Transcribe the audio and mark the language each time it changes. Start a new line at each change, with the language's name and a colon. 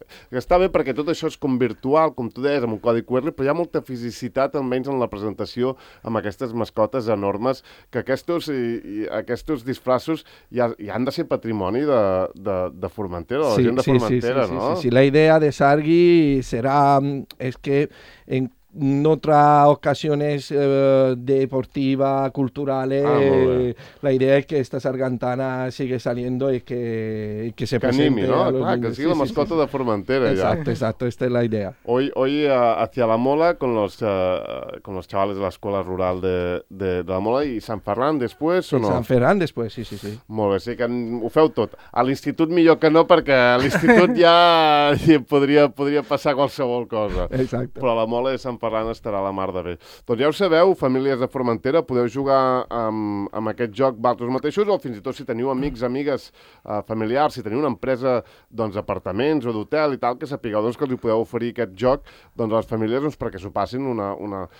Catalan: Està bé perquè tot això és com virtual, com tu deies, amb un codi QR, però hi ha molta fisicitat, almenys en la presentació, amb aquestes mascotes enormes, que aquests disfraços ja han de ser patrimoni de Formentera, la gent de Formentera, no? Sí. La idea de Sargi serà... És que...
Spanish: En otras ocasiones deportivas, culturales, la idea es que esta sargantana sigue saliendo y que se que presente. Que anime, ¿no? Claro, que sigue la mascota de Formentera. Exacto, esta es la idea. Hoy hacia la Mola con los chavales de la escuela rural de la Mola y San Ferran después, ¿o no? San Ferran después, sí.
Catalan: Molt bé, sí que ho feu tot. A l'institut millor que no, perquè a l'institut ja podria passar qualsevol cosa.
Spanish: Exacto.
Catalan: Però a la Mola de Ferran estarà la mar de bé. Doncs ja ho sabeu, famílies de Formentera, podeu jugar amb aquest joc vosaltres mateixos o fins i tot si teniu amics, amigues, familiars, si teniu una empresa d'apartaments doncs, o d'hotel i tal, que sapigueu doncs, que els podeu oferir aquest joc doncs, a les famílies doncs, perquè s'ho passin una...